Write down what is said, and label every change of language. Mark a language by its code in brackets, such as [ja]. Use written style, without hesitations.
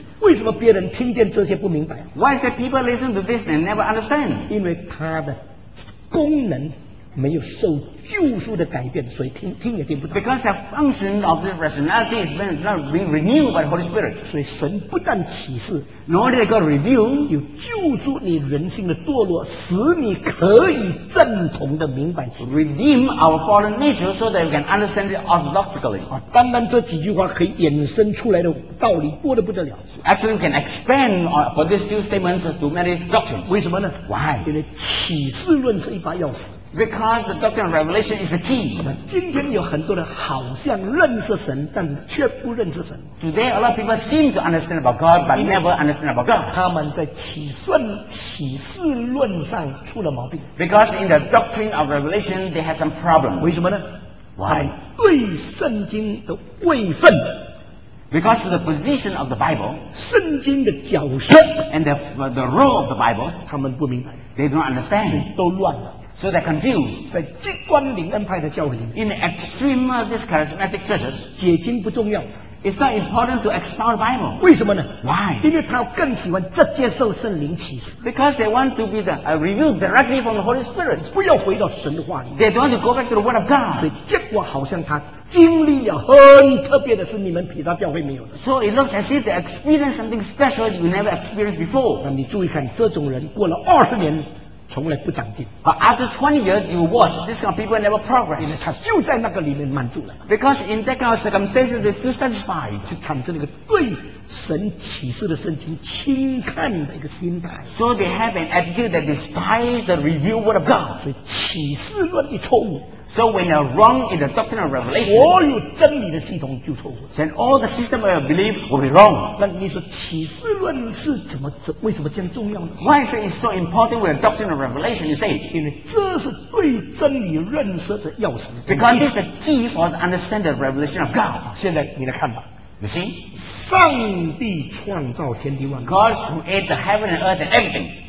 [zh] 为什么别人听见这些不明白 [en] ？Why is that people listen to this and never understand？ [zh] 因为它的功能。没有受救赎的改变，所以听也听不到。 [en] Because the function of this rationality is not being renewed by the Holy Spirit， [zh] 所以神不但启示 [en] ，nor did God reveal， [zh] 有救赎你人性的堕落，使你可以正统的明白。 [en] Redeem our fallen nature so that we can understand it orthodoxically。 [zh] 啊，单单这几句话可以衍生出来的道理多得不得了。 [en] Actually, we can expand for these few statements to many doctrines。 [zh] 为什么呢 [en] ？Why？ [zh] 因为启示论是一把钥匙。 [en] Because the doctrine of revelation is the key. [zh] 今天有很多人好像认识神，但是却不认识神。 [en] Today a lot of people seem to understand about God, but never understand about God. [zh] 他们在启示论上出了毛病。 [en] Because in the doctrine of revelation, they have some problems. [zh] 为什么呢？ [en] Why? [zh] 对圣经的位分。 [en] Because of the position of the Bible, [zh] 圣经的角色 [en] and the role of the Bible, [zh] 他们不明白 [en] they don't understand, [zh] 都乱了 [en] so they're confused. [zh] 在极端灵恩派的教会里 [en] in the extreme of these charismatic churches, [zh] 解经不重要 [en] it's not important to expound the Bible. [zh] 为什么呢 [en] Why? [zh] 因为他更喜欢直接受圣灵启示 [en] Because they want to be the, revealed directly from the Holy Spirit. [zh] 不要回到神的话里 [en] They don't want to go back to the Word of God. [zh] 所以结果好像他经历了很特别的是你们其他教会没有的。 [en] So it looks as if they experienced something special you never experienced before. [zh] 那你注意看，这种人过了二十年，从来不长进。 [en] But after 20 years, you watch this kind of people never progress. [zh] 因为他就在那个里面满足了。 [en] Because in that kind of circumstances, they still satisfied. [zh] 就产生了一个对神启示的圣经轻看的一个心态。 [en] So they have an attitude that despises the revealed word of God. [zh] 所以启示论一错误。 [en] So when you're wrong in the doctrine of revelation, [zh] 所有真理的系统就错误。 [en] Then all the system of belief will be wrong. [zh] 那你说启示论是怎么为什么这样重要呢 [en] ？Why is it so important with the doctrine of revelation? You say, [zh] 因为这是对真理认识的钥匙。 [en] Because it's the key for the understanding of revelation of God. [zh] 现在你来看吧。 [en] You see, [zh] 上帝创造天地万。 [en] God created the heaven and earth and everything.